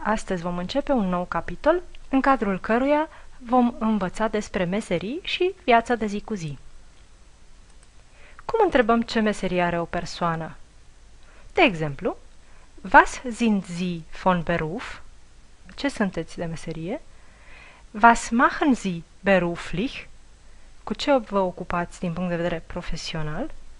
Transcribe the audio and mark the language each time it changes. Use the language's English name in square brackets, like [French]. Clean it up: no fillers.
[Romanian] Astăzi vom începe un nou capitol, în cadrul căruia vom învăța despre meserii și viața de zi cu zi. Cum întrebăm ce meserie are o persoană? De exemplu, [German] Was sind Sie von Beruf? [Romanian] Ce sunteți de meserie? [German] Was machen Sie beruflich? [Romanian] Cu ce vă ocupați din punct de vedere profesional?